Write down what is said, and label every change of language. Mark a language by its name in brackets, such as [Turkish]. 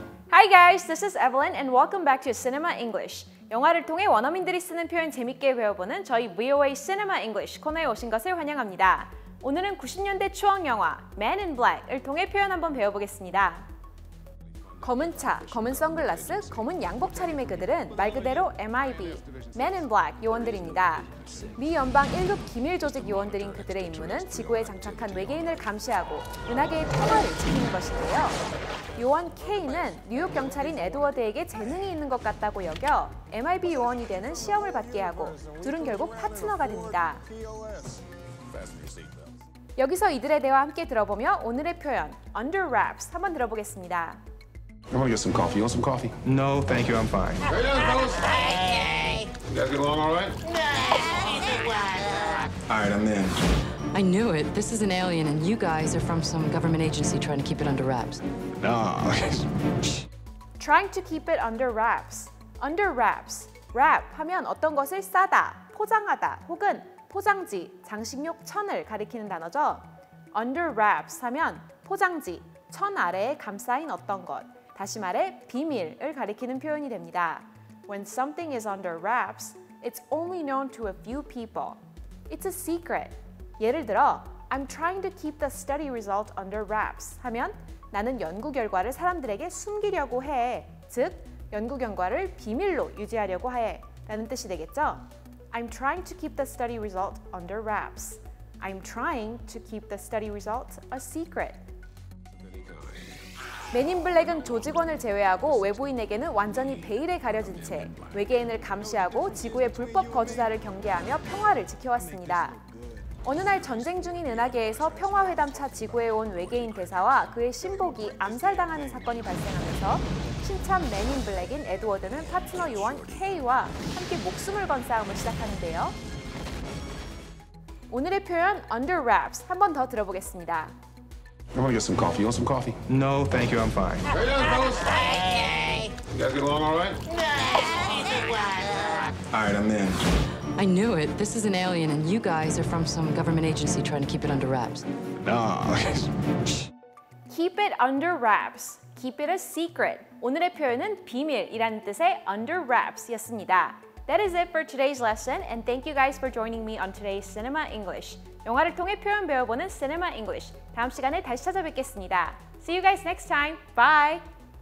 [English] Hi guys, this is Evelyn and welcome back to Cinema English. [Korean] 영화를 통해 원어민들이 쓰는 표현 재밌게 배워보는 저희 VOA Cinema English 코너에 오신 것을 환영합니다. 오늘은 90년대 추억 영화 Man in Black을 통해 표현 한번 배워보겠습니다. 검은 차, 검은 선글라스, 검은 양복 차림의 그들은 말 그대로 MIB, Men in Black 요원들입니다. 미 연방 1급 기밀 조직 요원들인 그들의 임무는 지구에 장착한 외계인을 감시하고 은하계의 평화를 지키는 것인데요. 요원 K는 뉴욕 경찰인 에드워드에게 재능이 있는 것 같다고 여겨 MIB 요원이 되는 시험을 받게 하고 둘은 결국 파트너가 됩니다. 여기서 이들의 대화 함께 들어보며 오늘의 표현 Under Wraps 한번 들어보겠습니다. [English] I want to get some coffee. You want some coffee? No, thank you. I'm fine. Hey, there's Ghost. Hey. You guys get along all right? No. All right, I'm in. I knew it. This is an alien, and you guys are from some government agency trying to keep it under wraps. No. Trying to keep it under wraps. Under wraps. [Korean] Wrap 하면 어떤 것을 싸다, 포장하다, 혹은 포장지, 장식용 천을 가리키는 단어죠. Under wraps 하면 포장지, 천 아래에 감싸인 어떤 것. 다시 말해 비밀을 가리키는 표현이 됩니다. [English] When something is under wraps, it's only known to a few people. It's a secret. [Korean] 예를 들어, [English] I'm trying to keep the study result under wraps [Korean] 하면 나는 연구 결과를 사람들에게 숨기려고 해. 즉, 연구 결과를 비밀로 유지하려고 해. 라는 뜻이 되겠죠? [English] I'm trying to keep the study result under wraps. I'm trying to keep the study result a secret. [Korean] 맨인블랙은 조직원을 제외하고 외부인에게는 완전히 베일에 가려진 채 외계인을 감시하고 지구의 불법 거주자를 경계하며 평화를 지켜왔습니다. 어느 날 전쟁 중인 은하계에서 평화회담차 지구에 온 외계인 대사와 그의 신복이 암살당하는 사건이 발생하면서 신참 맨인블랙인 에드워드는 파트너 요원 K와 함께 목숨을 건 싸움을 시작하는데요. 오늘의 표현 Under Wraps 한 번 더 들어보겠습니다. [English] I want to get some coffee. You want some coffee? No, thank you. I'm fine. Hey, there's Ghost. Thank you. You guys get along all right? No. All right, I'm in. I knew it. This is an alien, and you guys are from some government agency trying to keep it under wraps. No. Keep it under wraps. Keep it a secret. [Korean] 오늘의 표현은 비밀이라는 뜻의 under wraps였습니다. [English] That is it for today's lesson, and thank you guys for joining me on today's Cinema English. [Korean] 영화를 통해 표현 배워보는 Cinema English. 다음 시간에 다시 찾아뵙겠습니다. [English] See you guys next time. Bye!